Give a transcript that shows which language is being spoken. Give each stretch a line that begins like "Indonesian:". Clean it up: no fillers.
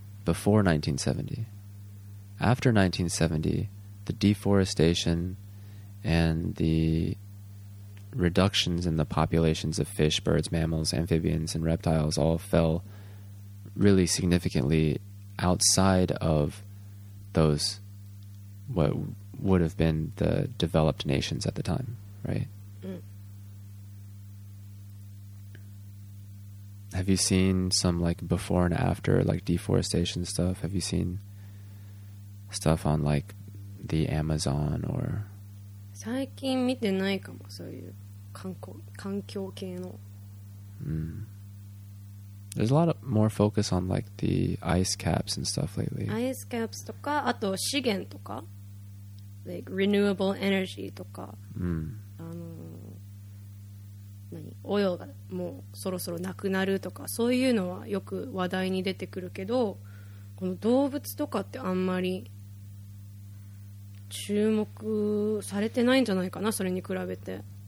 English: Before 1970. After 1970, the deforestation and the reductions in the populations of fish, birds, mammals, amphibians, and reptiles all fell really significantly outside of those what would have been the developed nations at the time, right? Have you seen some like before and after like deforestation stuff? Have you seen stuff on like the Amazon or
Japanese: 最近見てないかも、そういう観光、環境系の。
English: There's a lot of more focus on like the ice caps and stuff lately.
Japanese: Ice caps とか、あと資源とか、
English: like renewable energy
Japanese: とか、何、オイルがもうそろそろなくなるとか、そういうのはよく話題に出てくるけど、この動物とかってあんまり注目されてないんじゃないかな、それに比べて。